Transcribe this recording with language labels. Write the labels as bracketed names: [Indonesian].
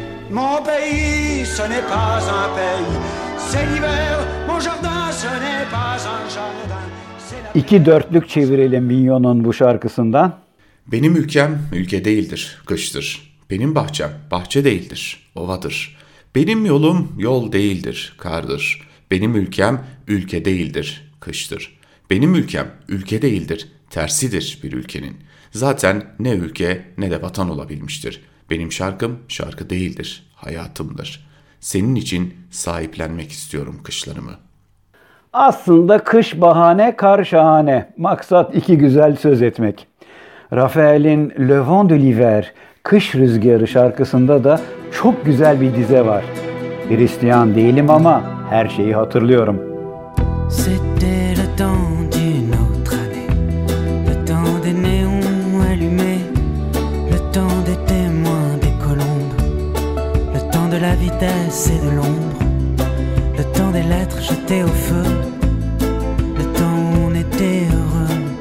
[French] Mon pays, ce n'est pas un pays, c'est l'hiver. Mon jardin, ce n'est pas un jardin. [Turkish] İki dörtlük çevirelim Mignon'un bu şarkısından. Benim ülkem ülke değildir, kıştır. Benim bahçem bahçe değildir, ovadır. Benim yolum yol değildir, kardır. Benim ülkem ülke değildir, kıştır. Benim ülkem ülke değildir, tersidir bir ülkenin. Zaten ne ülke ne de vatan olabilmiştir. Benim şarkım şarkı değildir, hayatımdır. Senin için sahiplenmek istiyorum kışlarımı. Aslında kış bahane, kar şahane. Maksat iki güzel söz etmek. Raphael'in Le Vent de l'Hiver, kış rüzgarı şarkısında da çok güzel bir dize var. Hristiyan değilim ama her şeyi hatırlıyorum. [French] C'était le temps d'une autre année, le temps des néons allumés, le temps des témoins des colombes, le temps de la vitesse et de l'ombre, le temps des lettres jetées au feu, le temps où on était heureux.